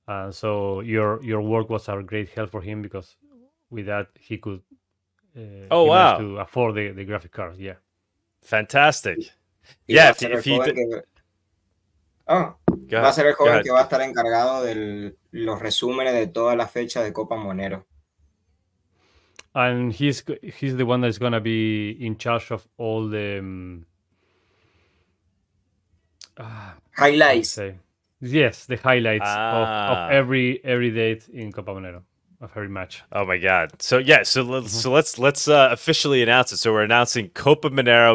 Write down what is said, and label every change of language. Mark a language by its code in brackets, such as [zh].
[en] So your work was a great help for him because with that he could to afford the graphic card. Yeah. Fantastic. [es] Va a ser el joven que va a estar encargado de los resúmenes de todas las fechas de Copa Monero. [en] And he's the one that's gonna be in charge of all the highlights. Yes, the highlights of every date in Copa Monero, of every match. Oh my god! So yeah, so let's officially announce it. So we're announcing Copa Monero.